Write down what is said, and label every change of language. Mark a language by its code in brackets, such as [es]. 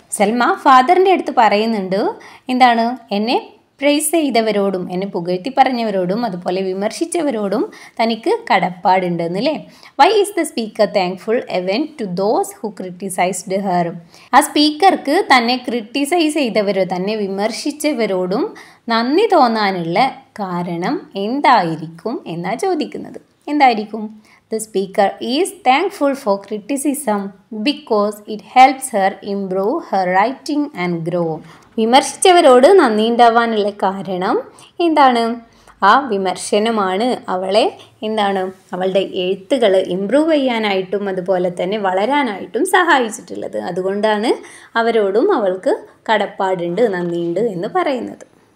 [ml] സെൽമ ഫാദറിൻ്റെ അടുത്ത് പറയുന്നുണ്ട്, എന്താണ്, എന്നെ പ്രേസ് ചെയ്തവരോടും എന്നെ പുകഴ്ത്തി പറഞ്ഞവരോടും അതുപോലെ വിമർശിച്ചവരോടും തനിക്ക് കടപ്പാടുണ്ടെന്ന് അല്ലേ. [en] Why is the speaker thankful even to those who criticised her. [ml] ആ സ്പീക്കർക്ക് തന്നെ ക്രിറ്റിസൈസ് ചെയ്തവരോ തന്നെ വിമർശിച്ചവരോടും നന്ദി തോന്നാനുള്ള കാരണം എന്തായിരിക്കും എന്നാണ് ചോദിക്കുന്നത്. എന്തായിരിക്കും? [en] The speaker is thankful for criticism because it helps her improve her writing and grow. [ml] വിമർശിച്ചവരോട് നന്ദിയുണ്ടാവാനുള്ള കാരണം എന്താണ്? ആ വിമർശനമാണ് അവളെ എന്താണ് അവളുടെ എഴുത്തുകൾ ഇമ്പ്രൂവ് ചെയ്യാനായിട്ടും അതുപോലെ തന്നെ വളരാനായിട്ടും സഹായിച്ചിട്ടുള്ളത്. അതുകൊണ്ടാണ് അവരോടും അവൾക്ക് കടപ്പാടുണ്ട്, നന്ദിയുണ്ട് എന്ന് പറയുന്നത്.